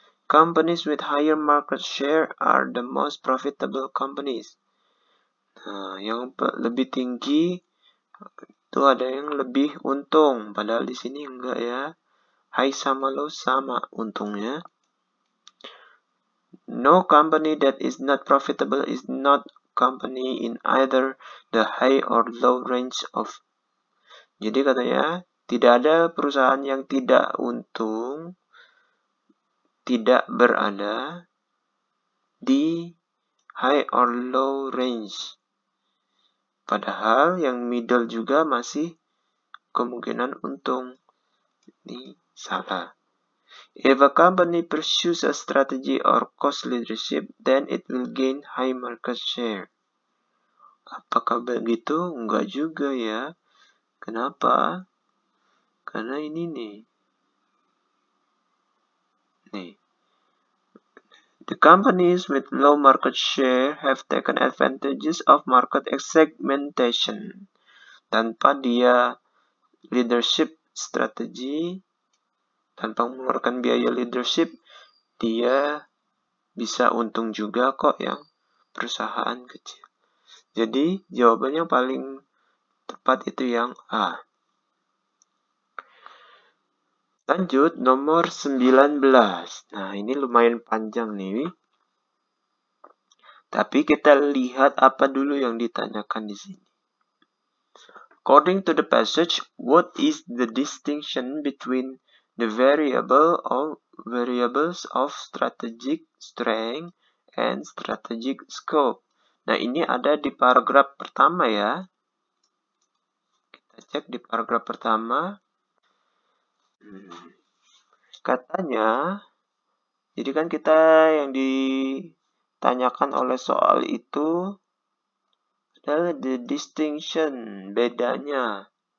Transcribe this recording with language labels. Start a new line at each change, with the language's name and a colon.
English: Companies with higher market share are the most profitable companies.
Indonesian: Nah, yang lebih tinggi itu ada yang lebih untung. Padahal di sini enggak ya. High sama low sama untungnya.
English: No company that is not profitable is not company in either the high or low range of.
Indonesian: Jadi katanya tidak ada perusahaan yang tidak untung, tidak berada di
English: high or low range.
Indonesian: Padahal yang middle juga masih kemungkinan untung. Ini salah.
English: If a company pursues a strategy or cost leadership, then it will gain high market share.
Indonesian: Apakah begitu? Enggak juga ya. Kenapa? Karena ini nih. Nih.
English: The companies with low market share have taken advantages of market segmentation.
Indonesian: Tanpa dia leadership strategy, tanpa mengeluarkan biaya leadership, dia bisa untung juga kok yang perusahaan kecil. Jadi, jawabannya yang paling tepat itu yang A. Lanjut, nomor 19. Nah, ini lumayan panjang nih. Tapi kita lihat apa dulu yang ditanyakan di sini.
English: According to the passage, what is the distinction between the variable or variables of strategic strength and strategic scope.
Indonesian: Nah, ini ada di paragraf pertama ya. Kita cek di paragraf pertama. Katanya, jadi kan kita yang ditanyakan oleh soal itu adalah
English: the distinction,
Indonesian: bedanya.